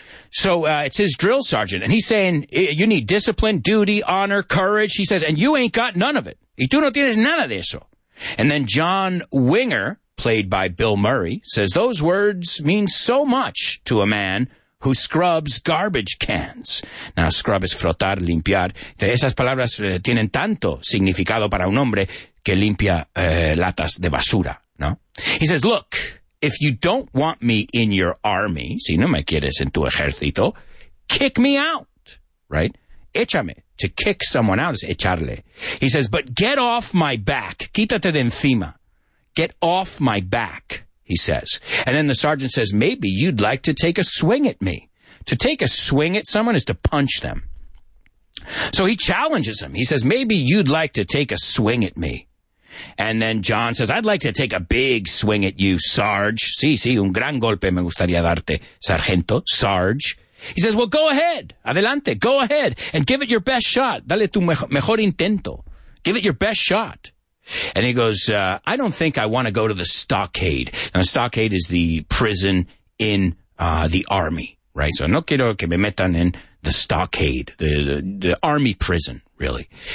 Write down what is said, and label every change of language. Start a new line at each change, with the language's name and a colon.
English: So it's his drill sergeant, and he's saying, you need discipline, duty, honor, courage. He says, and you ain't got none of it.
Spanish: Y tú no tienes nada de eso.
English: And then John Winger, played by Bill Murray, says those words mean so much to a man who scrubs garbage cans. Now, scrub is frotar, limpiar.
Spanish: Esas palabras tienen tanto significado para un hombre que limpia latas de basura, ¿no?
English: He says, look, if you don't want me in your army,
Spanish: si no me quieres en tu ejército,
English: kick me out, right?
Spanish: Échame.
English: To kick someone out is echarle. He says, but get off my back.
Spanish: Quítate de encima.
English: Get off my back, he says. And then the sergeant says, maybe you'd like to take a swing at me. To take a swing at someone is to punch them. So he challenges him. He says, maybe you'd like to take a swing at me. And then John says, I'd like to take a big swing at you, Sarge.
Spanish: Sí, sí, un gran golpe me gustaría darte, sargento, Sarge.
English: He says, well, go ahead.
Spanish: Adelante,
English: go ahead and give it your best shot.
Spanish: Dale tu mejor intento.
English: Give it your best shot. And he goes, I don't think I want to go to the stockade. And the stockade is the prison in the army, right? So
Spanish: no quiero que me metan en
English: the stockade, the army prison, really.